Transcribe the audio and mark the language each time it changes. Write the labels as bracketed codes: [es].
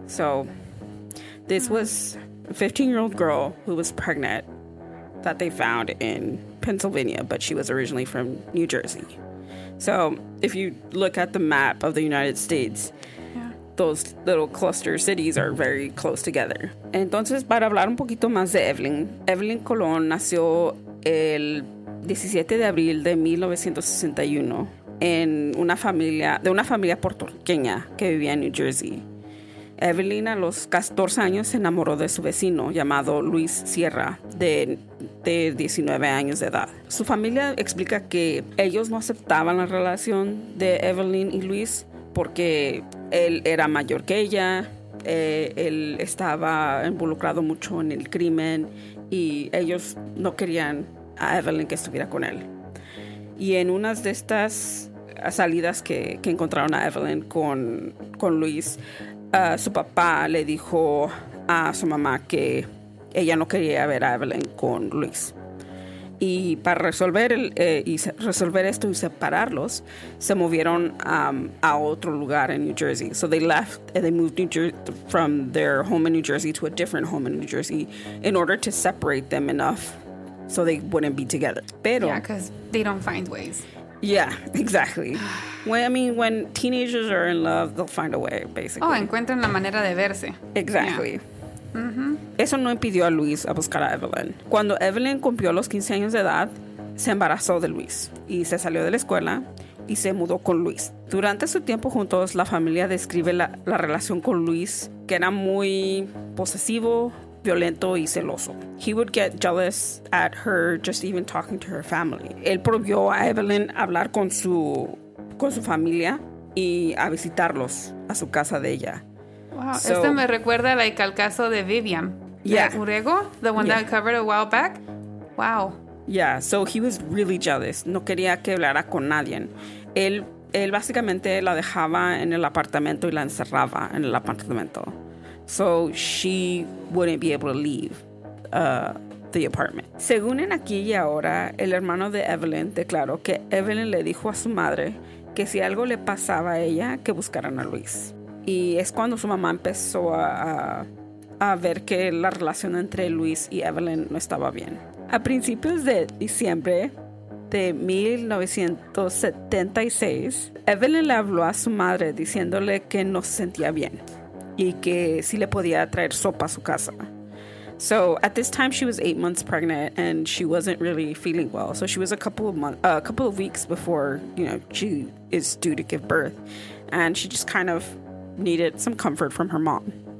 [en] So this was a 15-year-old girl who was pregnant that they found in Pennsylvania, but she was originally from New Jersey. So if you look at the map of the United States, those little cluster cities are very close together. [es] Entonces, para hablar un poquito más de Evelyn, Evelyn Colon nació el 17 de abril de 1961 en una familia, de una familia puertorriqueña que vivía en New Jersey. Evelyn, a los 14 años, se enamoró de su vecino, llamado Luis Sierra, de 19 años de edad. Su familia explica que ellos no aceptaban la relación de Evelyn y Luis porque él era mayor que ella, él estaba involucrado mucho en el crimen y ellos no querían a Evelyn que estuviera con él. Y en unas de estas salidas que encontraron a Evelyn con Luis, su papá le dijo a su mamá que ella no quería ver a Evelyn con Luis. Y para resolver resolver esto y separarlos, se movieron a otro lugar en New Jersey. [en] So they left and they moved from their home in New Jersey to a different home in New Jersey in order to separate them enough so they wouldn't be together. Pero, yeah, because they don't find ways. Yeah, exactly. When teenagers are in love, they'll find a way, basically. [es] Oh, encuentran la manera de verse. [en] Exactly. Yeah. [es] Eso no impidió a Luis a buscar a Evelyn. Cuando Evelyn cumplió los 15 años de edad, se embarazó de Luis y se salió de la escuela y se mudó con Luis. Durante su tiempo juntos, la familia describe la relación con Luis, que era muy posesivo, violento y celoso. [en] He would get jealous at her just even talking to her family. [es] Él prohibió a Evelyn hablar con su familia y a visitarlos a su casa de ella. Wow, so, esto me recuerda like al caso de Vivian. [en] Yeah. Urego, the one that I covered a while back. Wow. Yeah, so he was really jealous. [es] No quería que hablara con nadie. Él básicamente la dejaba en el apartamento y la encerraba en el apartamento. [en] So she wouldn't be able to leave the apartment. [es] Según en aquí y ahora, el hermano de Evelyn declaró que Evelyn le dijo a su madre que si algo le pasaba a ella, que buscaran a Luis. Y es cuando su mamá empezó a ver que la relación entre Luis y Evelyn no estaba bien. A principios de diciembre de 1976, Evelyn le habló a su madre diciéndole que no se sentía bien y que si le podía traer sopa a su casa. [en] So at this time she was 8 months pregnant and she wasn't really feeling well. So she was a couple of weeks before, you know, she is due to give birth, and she just kind of needed some comfort from her mom.